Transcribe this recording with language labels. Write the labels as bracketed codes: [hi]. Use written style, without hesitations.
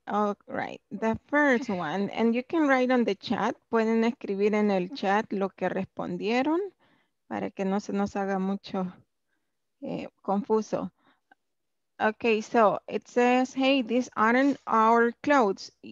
[en] All right, the first one, and you can write on the chat. [es] Pueden escribir en el chat lo que respondieron para que no se nos haga mucho confuso. [en] Okay, so it says, hey, these aren't our clothes.